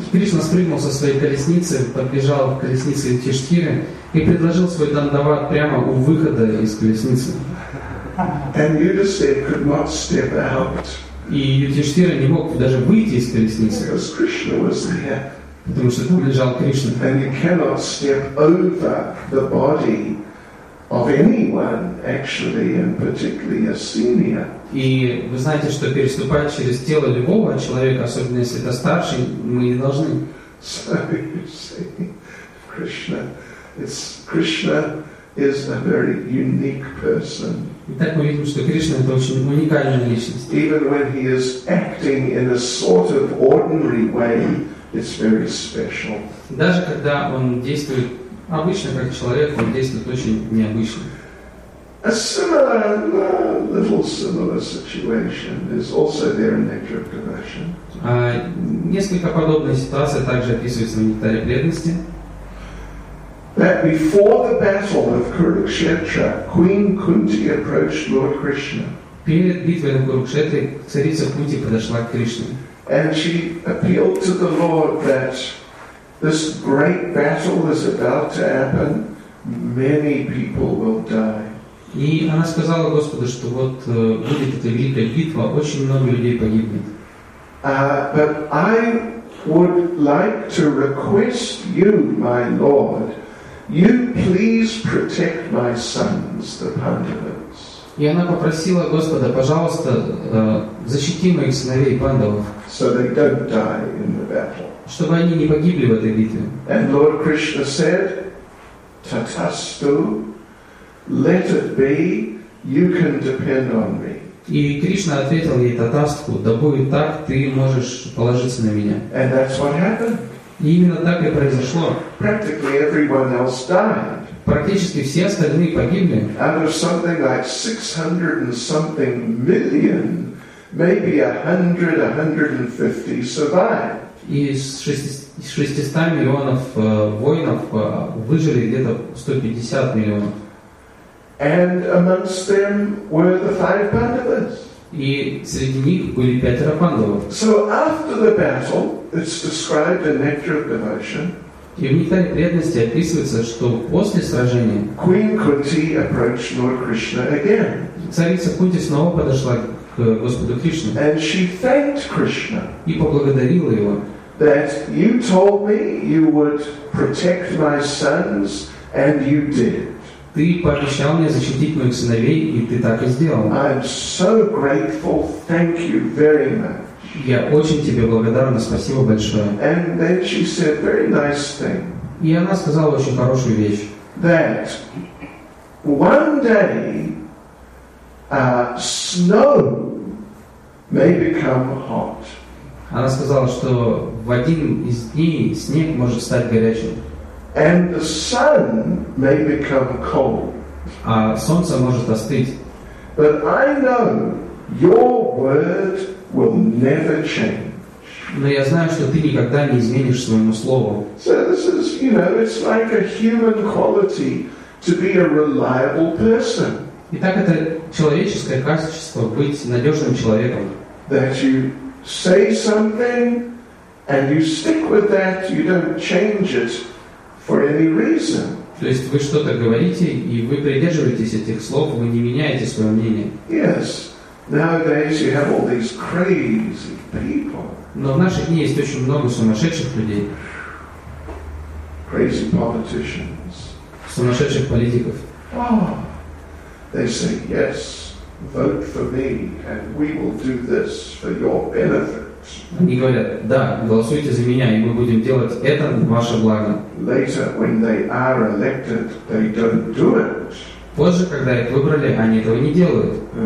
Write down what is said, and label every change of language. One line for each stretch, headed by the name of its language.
Russian: Кришна спрыгнул со своей колесницы, подбежал к колеснице Юдхиштхиры и предложил свой дандават прямо у выхода из колесницы.
English: And Yudhisthira could not step out.
Russian: И Юдхиштхира не мог даже выйти из колесницы.
English: Because Krishna was there.
Russian: Потому что там лежал Кришна.
English: And you cannot step over the body of anyone, actually, and particularly a senior.
Russian: И вы знаете, что переступать через тело любого человека, особенно если это старший, мы не должны.
English: So you see, Krishna is a very unique person.
Russian: Итак, мы видим, что Кришна — это очень уникальная личность.
English: Even when he is acting in a sort of ordinary way, it's very special.
Russian: Даже когда он действует обычно как человек, он действует очень необычно.
English: A similar, little similar situation is also there in Nectar of Devotion.
Russian: Несколько подобная ситуация также описывается в Нектаре преданности.
English: That before the battle of Kurukshetra, Queen Kunti approached Lord Krishna.
Russian: Перед битвой на Курукшетре царица Кунти подошла к Кришне.
English: And she appealed to the Lord that this great battle is about to happen. Many people will die.
Russian: И она сказала Господу, что вот будет эта великая битва, очень много людей погибнет.
English: But I would like to request you, my Lord, you please protect my sons, the Pandavas.
Russian: И она попросила Господа, пожалуйста, защити моих сыновей Пандавов.
English: So they don't die in the battle.
Russian: Чтобы они не погибли в этой битве.
English: And Lord Krishna said, Tatastu, let it be, you can depend on me.
Russian: И Кришна ответил ей Татасту, да будет так, ты можешь положиться на меня.
English: And that's what happened.
Russian: И именно так и произошло.
English: Practically everyone else died.
Russian: Практически все остальные погибли.
English: Out of something like 600 and something million, maybe 100-150 survived.
Russian: Из 600 миллионов воинов выжили где-то 150 миллионов.
English: And amongst them were the five Pandavas.
Russian: И среди них были пятеро Пандавов.
English: So after the battle, it's described in Nectar of Devotion.
Russian: И в Нектаре преданности описывается, что после сражения
English: Queen Kunti approached Lord Krishna again.
Russian: Царица Кунти снова подошла к Господу Кришне.
English: And she thanked Krishna.
Russian: И поблагодарила его.
English: That you told me you would protect my sons, and you did.
Russian: Ты пообещал мне защитить моих сыновей, и ты так и сделал.
English: I'm so grateful. Thank you very much.
Russian: Я очень тебе благодарна. Спасибо большое.
English: And then she said very nice thing.
Russian: И она сказала очень хорошую вещь.
English: That one day snow may become hot.
Russian: Она сказала, что в один из дней снег может стать горячим.
English: And the sun may become cold.
Russian: А солнце может остыть.
English: But I know your word will never change.
Russian: Но я знаю, что ты никогда не изменишь своему слову.
English: So this is, you know, it's like a human quality to be a reliable person.
Russian: Итак, это человеческое качество быть надежным человеком.
English: That you say something and you stick with that, you don't change it. For any reason.
Russian: То есть вы что-то говорите, и вы придерживаетесь этих слов, вы не меняете свое мнение.
English: Yes. Nowadays you have all these crazy people.
Russian: Но в наши дни есть очень много сумасшедших людей.
English: Crazy politicians.
Russian: Сумасшедших политиков.
English: They say, yes, vote for me, and we will do this for your benefit.
Russian: Они говорят, да, голосуйте за меня, и мы будем делать это в ваше благо.
English: Later, when they are elected, they don't do it.
Russian: Позже, когда их выбрали, они этого не делают.